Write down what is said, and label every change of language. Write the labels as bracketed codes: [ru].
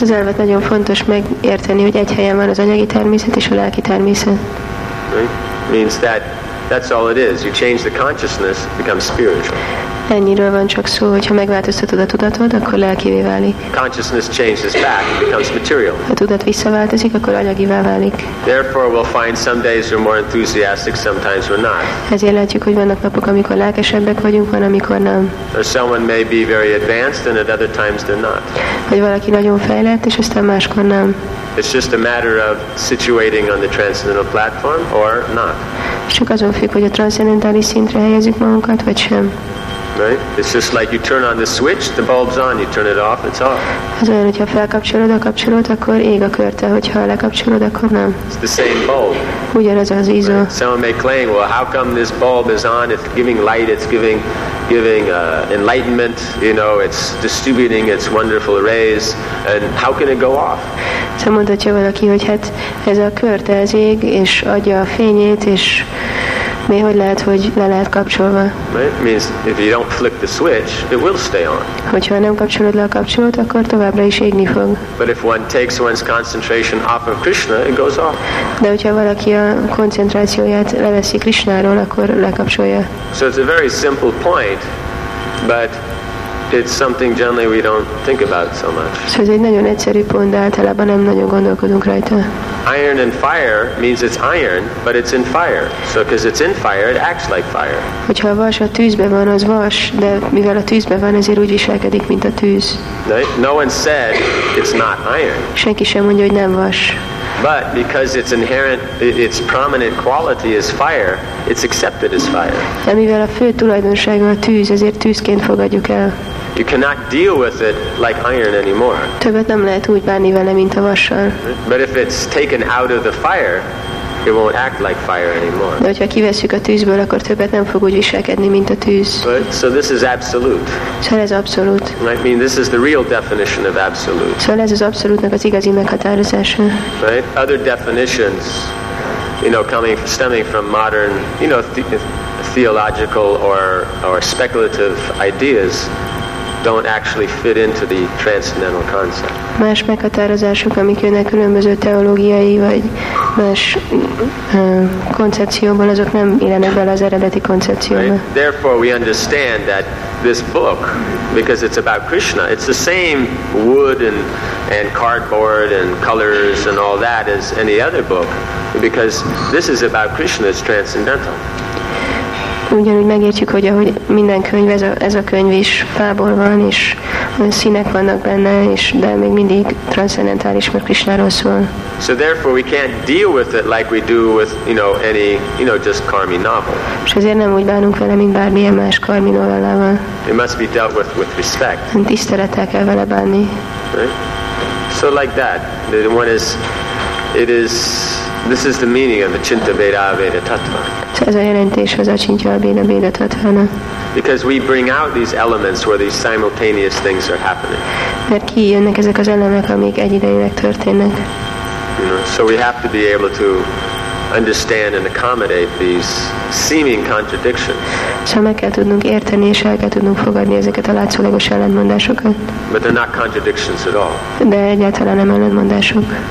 [hu] Ezt az elvet nagyon fontos megérteni, hogy egy helyen van az anyagi természet és a lelki természet. [en] Right? Means that's all it is. You change the consciousness, becomes spiritual. [hu] Ennyiről van csak szó, hogyha megváltoztatod a tudatod, akkor lelkivé válik. [en] Consciousness changes back and becomes material. [hu] A tudat visszaváltozik, akkor anyagivá válik. [en] Therefore we'll find some days we're more enthusiastic, sometimes we're not. [hu] Ezért látjuk, hogy vannak napok, amikor lelkesebbek vagyunk, van, amikor nem. [en] Or someone may be very advanced and at other times they're not. [hu] Vagy valaki nagyon fejlett, és aztán máskor nem. [en] It's just a matter of situating on the transcendental platform or not. [hu] Csak azon függ, hogy a transzendentális szintre helyezzük magunkat, vagy sem. [en] Right? It's just like you turn on the switch, the bulb's on, you turn it off, it's off. [hu] Az olyan, hogyha felkapcsolod a kapcsolót, akkor ég a körte, hogyha lekapcsolod, akkor nem. [en] It's the same bulb. [hu] Ugyanaz az izó. [en] Right? Someone may claim, well, how come this bulb is on? It's giving light, it's giving enlightenment, you know, it's distributing its wonderful rays, and how can it go off? [hu] Szóval mondhatja valaki, hogy hát ez a körte, ez ég, és adja a fényét, és mi, hogy lehet, hogy le lehet kapcsolva. [en] Right? Means if you don't flick the switch, it will stay on. [hu] Hogyha nem kapcsolod le a kapcsolót, akkor továbbra is égni fog. [en] But if one takes one's concentration off of Krishna, it goes off. [hu] De hogyha valaki a koncentrációját leveszi Krishnáról, akkor lekapcsolja. [en] So it's a very simple point, but it's something generally we don't think about so much. [hu] Szóval ez egy nagyon egyszerű pont, de általában nem nagyon gondolkodunk rajta. [en] Iron and fire means it's iron, but it's in fire. So because it's in fire, it acts like fire. [hu] Hogyha a vas a tűzbe van, az vas, de mivel a tűzbe van, ezért úgy viselkedik, mint a tűz. [en] No one said it's not iron. [hu] Senki sem mondja, hogy nem vas. [en] But because its inherent, its prominent quality is fire, it's accepted as fire. [hu] De mivel a fő tulajdonsága a tűz, ezért tűzként fogadjuk el. [en] You cannot deal with it like iron anymore. [hu] Többet nem lehet úgy bánni vele, mint a vassal. [en] But if it's taken out of the fire, it won't act like fire anymore. [hu] De hogyha kivesszük a tűzből, akkor többet nem fog úgy viselkedni, mint a tűz. [en] But, so this is absolute. [hu] Szóval ez abszolút. [en] I mean, this is the real definition of absolute. [hu] Szóval ez az abszolútnak az igazi meghatározása. [en] Right? Other definitions, you know, coming stemming from modern, you know, theological or speculative ideas, don't actually fit into the transcendental concept. [hu] Más meghatározások, amik jönnek különböző teológiai vagy más koncepcióból, azok nem illenek bele az eredeti koncepcióba. [en] Right? Therefore we understand that this book, because it's about Krishna, it's the same wood and cardboard and colors and all that as any other book, because this is about Krishna, it's transcendental. [hu] Ugyanúgy megértjük, hogy ahogy minden könyv, ez a könyv is fából van, és színek vannak benne, és de még mindig transzcendentális, mert Krisnáról szól. [en] So therefore we can't deal with it like we do with, you know, any, you know, just karmi novel. [hu] És ezért nem úgy bánunk vele, mint bármilyen más karmi novellával. [en] It must be dealt with respect. [hu] Tisztelettel kell vele bánni. [en] So like that, the one is, it is, this is the meaning of the Chintaveda-Aveda Tattva. [hu] Ez a jelentés az Acintya-Aveda Tattvának. [en] Because we bring out these elements where these simultaneous things are happening. [hu] Mert kijönnek ezek az elemek, amik egyidejűleg történnek. [en] You know, so we have to be able to understand and accommodate these seeming contradictions. [hu] Szóval meg kell tudnunk érteni és el kell tudnunk fogadni ezeket a látszólagos ellentmondásokat. [en] But they're not contradictions at all. [hu] De egyáltalán nem ellentmondások.